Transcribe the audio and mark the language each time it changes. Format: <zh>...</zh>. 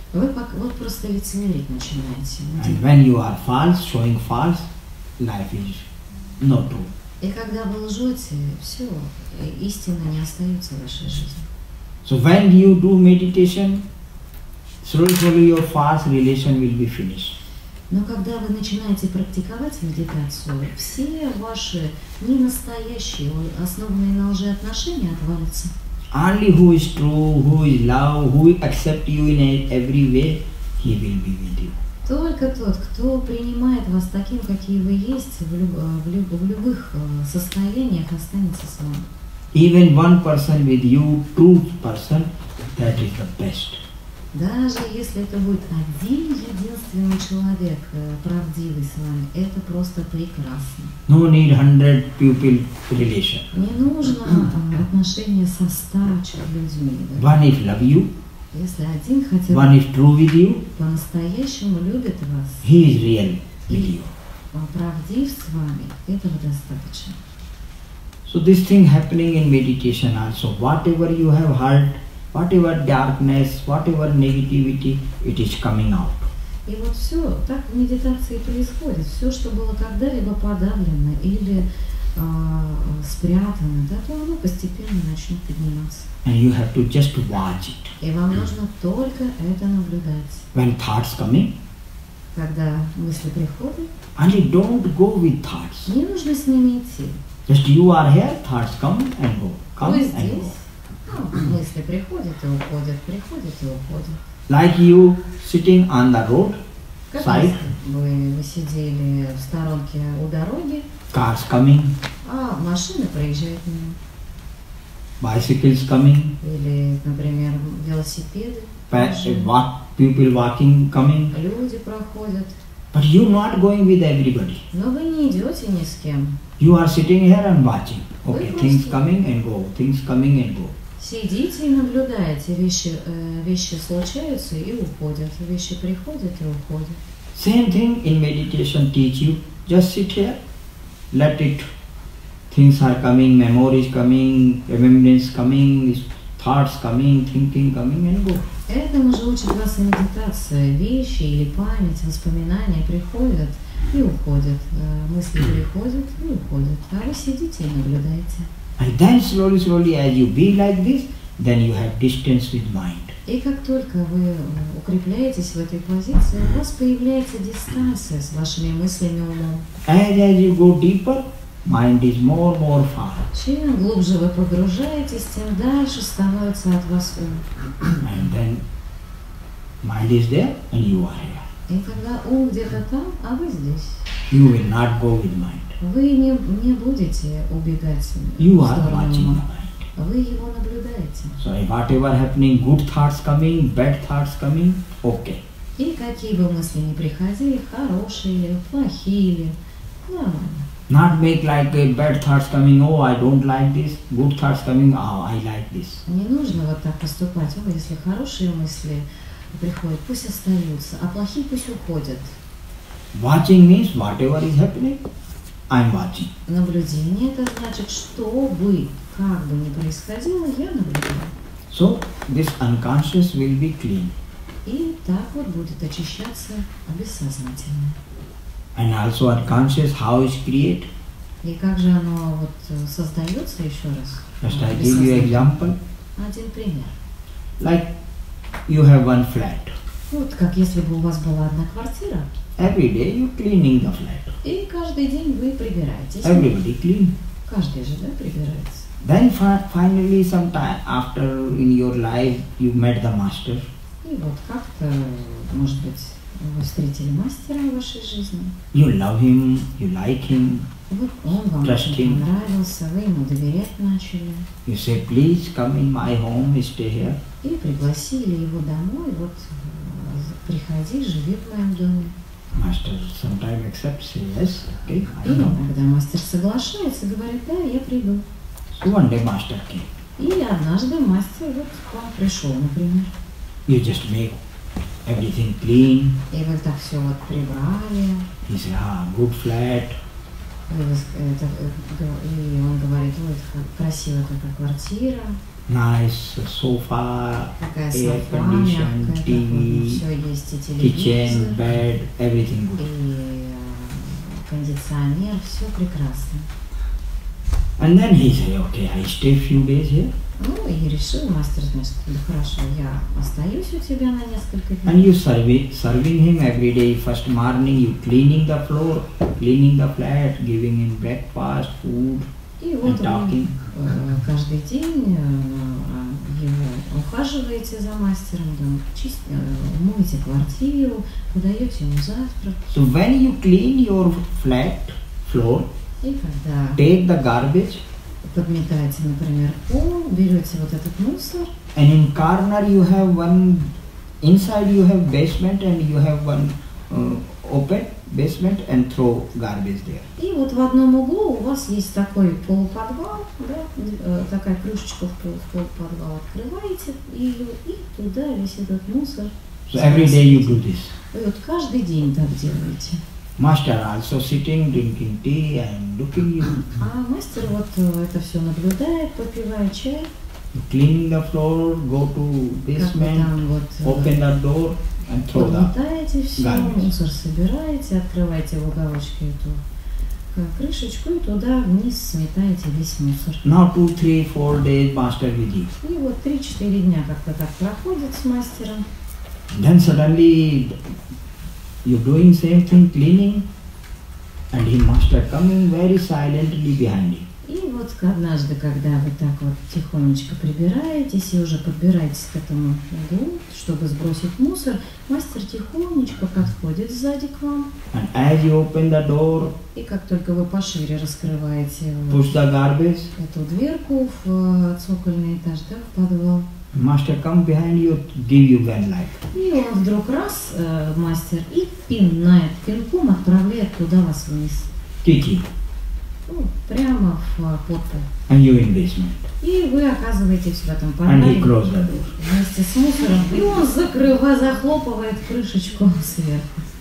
<ru>Вы пока, вот просто лицемерить начинаете.</ru> <en>And when you are false, showing false, life is not true.</en> <ru>И когда вы лжете, все, истина не остается в вашей жизни.</ru> <en>So when you do meditation, slowly your false relation will be finished.</en> <ru>Но когда вы начинаете практиковать медитацию, все ваши ненастоящие, основанные на лжи отношения отвалятся.</ru> <en>Only who is true, who is love, who accepts you in every way, he will be with you.</en> <ru>Только тот, кто принимает вас таким, какие вы есть, в любых состояниях, останется с вами.</ru> <en>Even one person with you, true person, that is the best.</en> <ru>Даже если это будет один единственный человек, правдивый с вами, это просто прекрасно.</ru> <en>No need 100 pupil relation.</en> <ru>Не нужно отношения со 100 людьми. Да?</ru> <en>One if love you.</en> <ru>Если один хотя бы.</ru> <en>One if true with you.</en> <ru>По-настоящему любит вас.</ru> <en>He is real with you.</en> <ru>Он правдив с вами, этого достаточно.</ru> <en>So this thing happening in meditation also, whatever you have heard, whatever darkness, whatever negativity, it is coming out.</en> <ru>И вот все так в медитации происходит. Все, что было когда-либо подавлено или спрятано, да, то оно постепенно начнет подниматься.</ru> <en>And you have to just watch it.</en> <ru>И вам нужно только это наблюдать.</ru> <en>When thoughts coming,</en> <ru>когда мысли приходят,</ru> <en>and you don't go with thoughts.</en> <ru>Не нужно с ними идти.</ru> <en>Just you are here, thoughts come and go, come and go.</en> <ru>Ну, мысли приходят и уходят, приходят и уходят.</ru> <en>Like you sitting on the road,</en> <ru>как</ru> <en>side.</en> <ru>Вы сидели в сторонке у дороги.</ru> <en>Cars coming.</en> <ru>А машины проезжают мимо.</ru> <en>Bicycles coming.</en> <ru>Или, например, велосипеды.</ru> <en>People walking coming.</en> <ru>Люди проходят.</ru> <en>But you not going with everybody.</en> <ru>Но вы не идете ни с кем.</ru> <en>You are sitting here and watching. Okay, things coming and go, things coming and go.</en> <ru>Сидите и наблюдаете, вещи случаются и уходят, вещи приходят и уходят.</ru> <en>Same thing in meditation teach you, just sit here, let it, things are coming, memories coming, remembrance coming, thoughts coming, thinking coming and go.</en> <ru>Этому же учит вас медитация, вещи или память, воспоминания приходят и уходят, мысли приходят и уходят, а вы сидите и наблюдаете.</ru> <en>And then slowly, slowly, as you be like this, then you have distance with mind.</en> <ru>И как только вы укрепляетесь в этой позиции, у вас появляется дистанция с вашими мыслями умом.</ru> <en>As you go deeper, mind is more far.</en> <ru>Чем глубже вы погружаетесь, тем дальше становится от вас ум.</ru> <en>And then mind is there, and you are here.</en> <ru>И тогда ум где-то там, а вы здесь.</ru> <en>You will not go with mind.</en> <ru>Вы не будете убегать.</ru> <en>You are watching the mind.</en> <ru>Вы его наблюдаете.</ru> <en>So whatever happening, good thoughts coming, bad thoughts coming, okay. И какие бы мысли ни приходили, хорошие или плохие или, нормально. Not make like bad thoughts coming, oh, I don't like this. Good thoughts coming, oh, I like this.</en> <ru>Не нужно вот так поступать. Ой, если хорошие мысли приходят, пусть остаются, а плохие пусть уходят.</ru> <en>Watching means whatever is happening. I'm watching.</en> <ru>Наблюдение это значит, что бы, как бы ни происходило, я наблюдаю.</ru> <en>So this unconscious will be clean.</en> <ru>И так вот будет очищаться бессознательно.</ru> <en>And also unconscious, how is create?</en> <ru>И как же оно вот создается еще раз?</ru> <en>Just I give you example.</en> <ru>Один пример.</ru> <en>Like you have one flat.</en> <ru>Вот как если бы у вас была одна квартира.</ru> <en>Every day you cleaning the flat.</en> <ru>И каждый день вы прибираетесь.</ru> <en>Everybody clean.</en> <ru>Каждый же, да, прибирается.</ru> <en>Then finally sometime after in your life you met the master.</en> <ru>И вот как-то, может быть, вы встретили мастера в вашей жизни.</ru> <en>You love him, you like him.</en> <ru>Он вам понравился, вы ему доверять начали.</ru> <en>You say, please come in my home, stay here.</en> <ru>И пригласили его домой, вот приходи, живи в моем доме.</ru> <en>Master sometimes accepts, yes, okay, I know.</en> <ru>Когда мастер соглашается, говорит, да, я приду.</ru> <en>So one day master came.</en> <ru>И однажды мастер вот к вам пришел, например.</ru> <en>You just make everything clean.</en> <ru>И вы так все вот прибрали.</ru> <en>He said, ah, good flat.</en> <ru>И он говорит, ну, это красивая такая квартира.</ru> <en>Nice sofa, air condition, TV, kitchen, bed, everything good.</en> <ru>И кондиционер, все прекрасно.</ru> <en>And then he said, okay, I stay a few days here.</en> <ru>Ну, и решил мастер, значит, ну, хорошо, я остаюсь у тебя на несколько дней.</ru> <en>And you serving him every day, first morning, you cleaning the floor, cleaning the flat, giving him breakfast, food, and talking.</en> <ru>Каждый день его ухаживаете за мастером, да, моете квартиру, подаете ему завтрак.</ru> <en>So when you clean your flat floor, take the garbage,</en> <ru>подметаете, например, пол, берете вот этот мусор.</ru> <en>And in corner you have one, inside you have basement and you have one open basement and throw garbage there.</en> <ru>И вот в одном углу у вас есть такой полуподвал, да, такая крышечка в полуподвал. Открываете ее и туда весь этот мусор.</ru> <en>So every day you do this.</en> <ru>И вот каждый день так делаете.</ru> <en>Master also sitting, drinking tea and looking you.</en> <ru>А мастер вот это все наблюдает, попивает чай.</ru> <en>You clean the floor, go to basement,</en> <ru>вот,</ru> <en>open the door and throw the</en> <ru>подметаете все, garbage. Мусор собираете, открываете в уголочке эту крышечку и туда вниз сметаете весь мусор.</ru> <en>Now 2-3-4 days master with you.</en> <ru>И вот 3-4 дня как-то так проходит с мастером.</ru> <en>Then suddenly you're doing same thing, cleaning, and he master coming very silently behind you.</en> <ru>И вот однажды, когда вы так вот тихонечко прибираетесь и уже подбираетесь к этому углу, чтобы сбросить мусор, мастер тихонечко подходит сзади к вам.</ru> <en>And as you open the door,</en> <ru>и как только вы пошире раскрываете</ru> <en>push the garbage,</en> <ru>эту дверку в цокольный этаж, да, в подвал,</ru> <en>master come behind you, give you gun like.</en> <ru>И он вдруг раз, мастер, и пинает, пинком отправляет туда вас вниз. Кики. Ну, прямо в подпол.</ru> <en>And you in basement.</en> <ru>И вы оказываетесь в этом подвале.</ru> <en>And he closed the door.</en> <ru>Вместе с мусором. И он закрывает, захлопывает крышечку сверху.</ru>